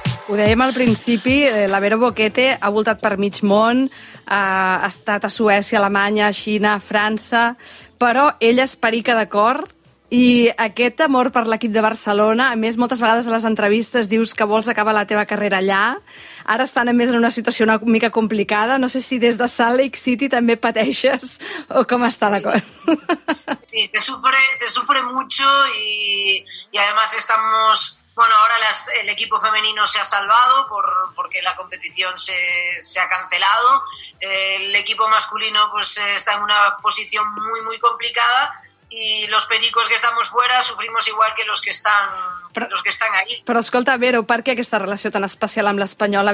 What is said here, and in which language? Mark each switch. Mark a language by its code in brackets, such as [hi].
[ca] Ho dèiem al principi, la Vera Boquete ha voltat per mig món, ha estat a Suècia, Alemanya, Xina, França, però ella és perica de cor I aquest amor per l'equip de Barcelona, a més, moltes vegades a les entrevistes dius que vols acabar la teva carrera allà. Ara estan, a més, en una situació una mica complicada. No sé si des de Salt Lake City també pateixes o com està la cosa. [es] Sí, se sufre mucho y además estamos... Bueno, ahora el equipo femenino se ha salvado porque la competición se ha cancelado. El equipo masculino pues está en una posición muy, muy complicada y los pericos que estamos fuera sufrimos igual que los que están ahí. [ca] Però escolta, Vero, per què aquesta relació tan especial amb l'Espanyol?